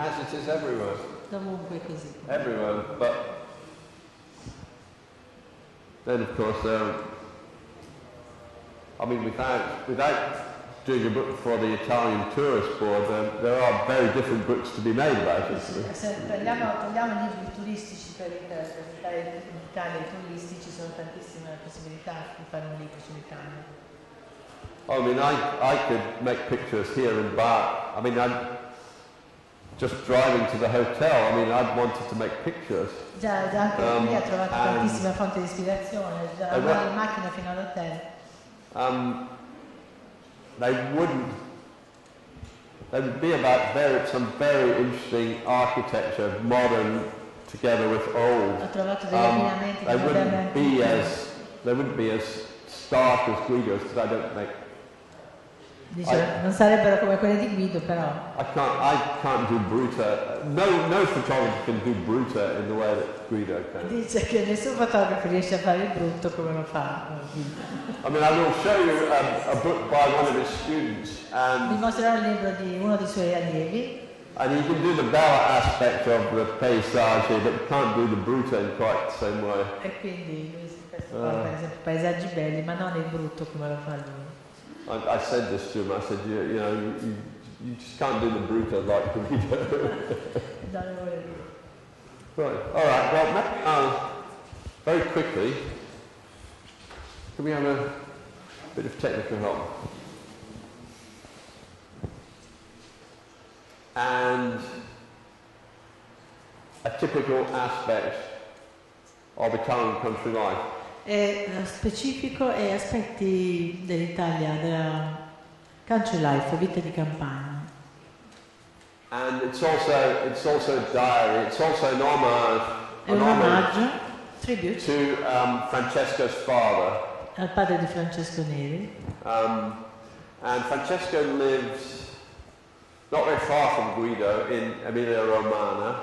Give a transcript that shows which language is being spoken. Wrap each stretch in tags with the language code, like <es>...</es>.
<en>As it is everywhere.</en> <it>Dovunque così.</it> <en>Everywhere, but then of course there. I mean, without doing a book for the Italian tourist board, there are very different books to be made about it.</en> <it>Parliamo di libri turistici per l'Italia, i turisti, ci sono tantissime possibilità di fare un libro in Italia.</it> <en>I mean, I could make pictures here in Bari. I mean, I'm just driving to the hotel. I mean, I've wanted to make pictures.</en> <it>Già, anche qui ho trovato tantissime fonti di ispirazione, già in macchina fino all'hotel.</it> <en>They would be about some very interesting architecture, modern together with old. They wouldn't be as stark as Guido's, because I don't think.</en> <it>Non sarebbero come quelle di Guido, però.</it> <en>I can't do Bruta. No photographer can do Bruta in the way that Guido can.</en> <it>Dice che nessun fotografo riesce a fare il brutto come lo fa Guido.</it> <en>I mean, I will show you a book by one of his students.</en> <it>Vi mostrerò il libro di uno dei suoi allievi.</it> <en>And he can do the bella aspect of the paesaggio, but can't do the Bruta in quite the same way.</en> <it>E quindi questo fa paesaggi belli, ma non il brutto come lo fa lui.</it> <en>I said this to him. I said, you just can't do the Bruta like the Guido. Right. All right. Well, very quickly, can we have a bit of technical help? And a typical aspect of Italian country life.</en> <it>E specifico e aspetti dell'Italia, della country life, vita di campagna.</it> <en>And it's also a diary, it's also an homage, tribute to Francesco's father.</en> <it>Al padre di Francesco Neri.</it> <en>And Francesco lives not very far from Guido in Emilia Romagna.</en>